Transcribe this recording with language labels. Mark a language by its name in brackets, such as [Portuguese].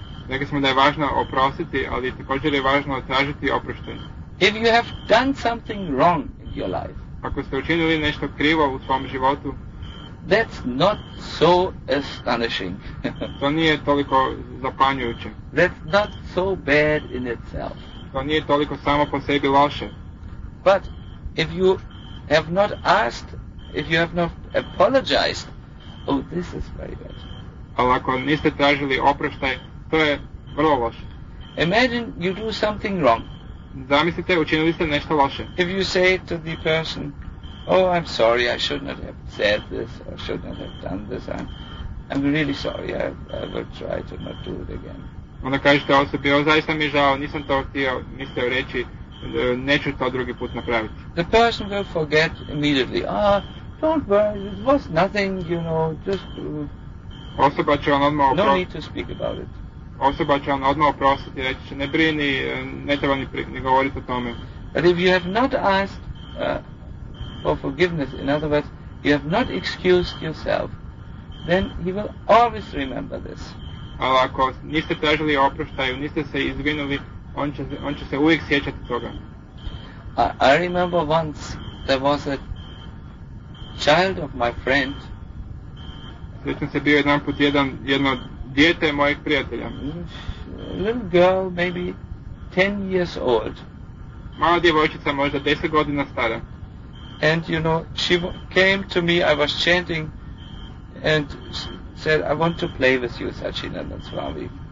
[Croatian] Rekli smo da je važno oprostiti, ali također je važno tražiti oproštaj. [English] If you have done something wrong in your life, [Croatian] ako ste učinili nešto krivo u svom životu, [English] that's not so astonishing. [Croatian] To nije toliko zapanjujuće. [English] That's not so bad in itself. [Croatian] To nije toliko samo po sebi loše. [English] But if you have not asked, if you have not apologized, oh, this is very bad. [Croatian] Ali ako niste tražili oproštaj, to je vrlo loše. [English] Imagine you do something wrong. [Croatian] Zamislite, učinili ste nešto loše. [English] If you say to the person, oh, I'm sorry, I should not have said this, I should not have done this, I'm really sorry, I will try to not do it again. [Croatian] Onda kažete osobi, oh, zaista mi je žao, nisam to htio, mislio reći, neću to drugi put napraviti. [English] The person will forget immediately, ah, don't worry, it was nothing, you know, just... [Croatian] Osoba će vam odmah oprostiti. [English] No need to speak about it. [Croatian] Osoba će vam odmah oprostiti, reći će, ne brini, ne treba ni govoriti o tome. [English] But if you have not asked... for forgiveness, in other words, you have not excused yourself, then he will always remember this. [Croatian] Ali ako niste tražili oproštaj, niste se izvinuli, on će se uvijek sjećati toga. [English] I remember once there was a child of my friend. [Croatian] Sjećam se, bio jedan put jedno dijete mojeg prijatelja. [English] A little girl, maybe 10 years old. [Croatian] Mala djevojčica, možda 10 godina stara. [English] And you know, she came to me, I was chanting, and said, I want to play with you, Sachinanda Swami.